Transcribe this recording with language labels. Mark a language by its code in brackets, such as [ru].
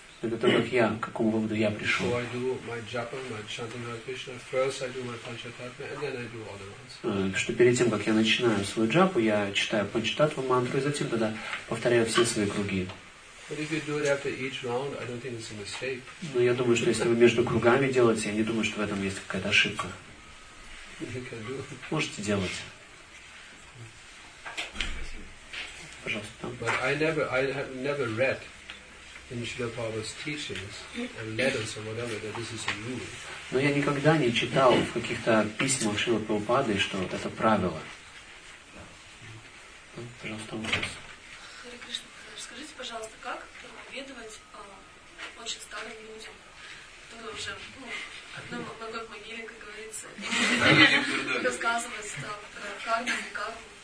[ru] Это то, как я, к какому выводу я пришел. [en] So I do my japa, my chanting Hare Krishna. First I do my Panchatattva, and then I do all the rounds. [ru] Что перед тем, как я начинаю свою джапу, я читаю Панчататву мантру, и затем тогда повторяю все свои круги. [en] But if you do it after each round, I don't think it's a mistake. [ru] Но я думаю, что если вы между кругами делаете, я не думаю, что в этом есть какая-то ошибка. Можете делать. Пожалуйста, там. [en] But I have never read. In Srila Prabhupada's teachings and letters or whatever, that this is a rule. [ru] Но я никогда не читал в каких-то письмах Шрилы Прабхупады, что вот это правило. Пожалуйста, вопрос. Харе Кришна, скажите, пожалуйста, как проповедовать очень старым людям, которые уже на год могиле, как говорится, рассказывать карму или карму.